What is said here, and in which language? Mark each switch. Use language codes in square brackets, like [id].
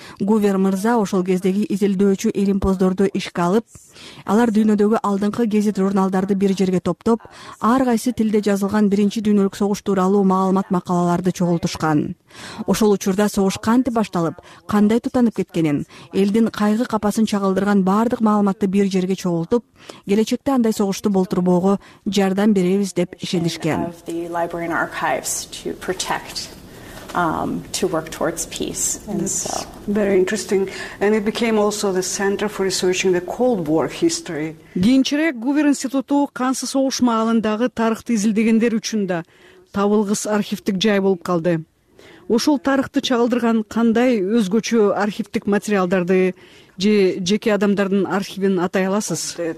[ky] Гувер мырза ошол кездеги изилдөөчү илимпоздорду ишке алып, алар дүйнөдөгү алдыңкы гезит журналдарды бир жерге топтоп, ар кайсы тилде жазылган биринчи дүйнөлүк согуш тууралуу маалымат макалаларды чогултушкан. Ошол учурда согуш кантип башталып, кандай тутанып кеткенин, элдин кайгы капасын чагылдырган баардык маалыматты бир жерге чогултуп, келечекте андай согушту болтурбоого жардам беребиз деп ишенишкен. [en] To work towards peace. And that's so very interesting. And it became also the center for researching the Cold War history. [ky] Кийинчерээк Гувер институту кансыз согуш маалындагы тарыхты изилдегендер үчүн да табылгыс архивтик жай болуп калды. ушул тарыхты чагылдырган кандай өзгөчө архивдик материалдарды же жеке адамдардын архивин атай аласыз?